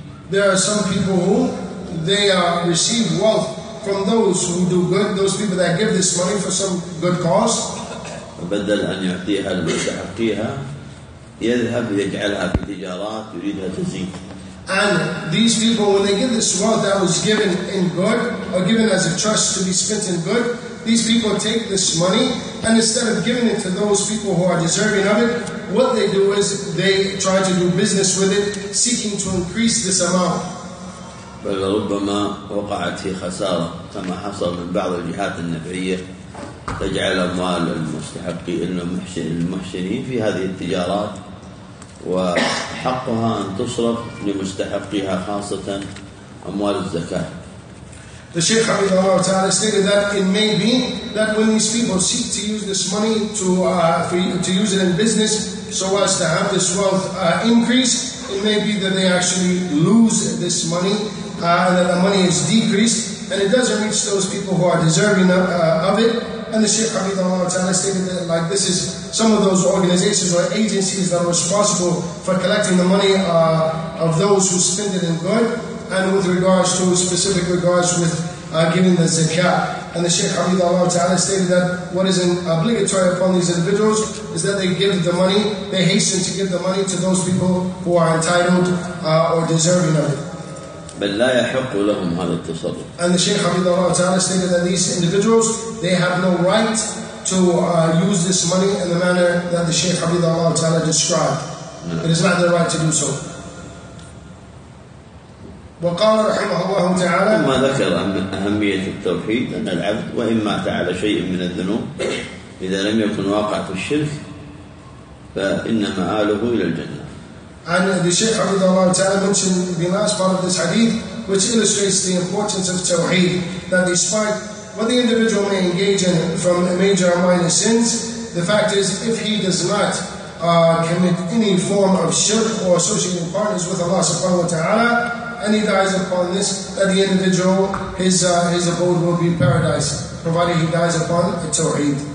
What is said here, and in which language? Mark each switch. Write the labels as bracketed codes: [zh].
[en] There are some people who, they receive wealth from those who do good, those people that give this money for some good cause. [ar] بدل أن يعطيها المستحقيها يذهب يجعلها في تجارات يريدها تزيد. [en] And these people when they give this wealth that was given in good or given as a trust to be spent in good, these people take this money and instead of giving it to those people who are deserving of it, what they do is they try to do business with it, seeking to increase this amount. [ar] بل ربما وقعت في خسارة كما حصل من بعض الجهات النفعية تجعل أموال المستحقين المحسنين في هذه التجارات وحقها أن تصرف لمستحقيها خاصة أموال الزكاة. [en] The Sheikh Habib Allah Ta'ala stated that it may be that when these people seek to use this money to use it in business so as to have this wealth increase, it may be that they actually lose this money and that the money is decreased and it doesn't reach those people who are deserving of it. And the Sheikh Habib Allah Ta'ala stated that like this is some of those organizations or agencies that are responsible for collecting the money of those who spend it in good and with regards to specific regards with giving the zakat. And the Sheikh Habib Allah Ta'ala stated that what is obligatory upon these individuals is that they give the money, they hasten to give the money to those people who are entitled or deserving of it. [ar] بل لا يحق لهم هذا التصرف. [en] And the Sheikh Habib Allah Ta'ala stated that these individuals they have no right to use this money in the manner that the Sheikh Habib Allah Ta'ala described. No. It is not their right to do so. [ar] وقال رحمه الله تعالى ثم ذكر أهمية التوحيد أن العبد وإن مات على شيء من الذنوب إذا لم يكن واقع في الشرك فإن مآله إلى الجنة. [en] And the Shaykh Habib Allah Ta'ala mentioned the last part of this hadith, which illustrates the importance of tawheed, that despite what the individual may engage in from major or minor sins, the fact is, if he does not commit any form of shirk or associating partners with Allah subhanahu wa ta'ala, and he dies upon this, that the individual, his abode will be paradise, provided he dies upon a tawheed.